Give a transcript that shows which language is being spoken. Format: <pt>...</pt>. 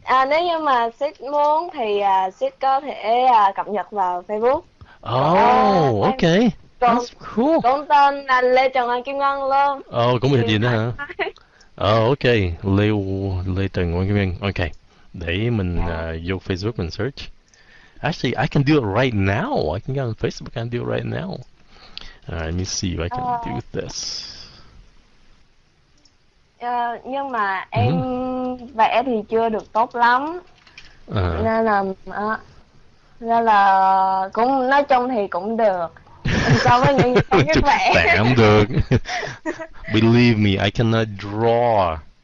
<vi>Nếu như mà sếp muốn thì sếp có thể cập nhật vào Facebook.</vi> <en>Okay. That's cool.</en> <vi>Còn tên là Lê Trần Hoàng Kim Ngân luôn. Oh, cũng biết gì nữa hả? Oh, okay. Lê Trần Hoàng Kim Ngân. Okay. Để mình vô Facebook mình search.</vi> <en>Actually, I can do it right now. I can go on Facebook and do it right now. Let me see if I can do this.</en> <vi>Nhưng mà em vẽ thì chưa được tốt lắm. Nên là cũng nói chung thì cũng được. So với những cái vẽ. Tạm được.</vi> <en>Believe me, I cannot draw.</en>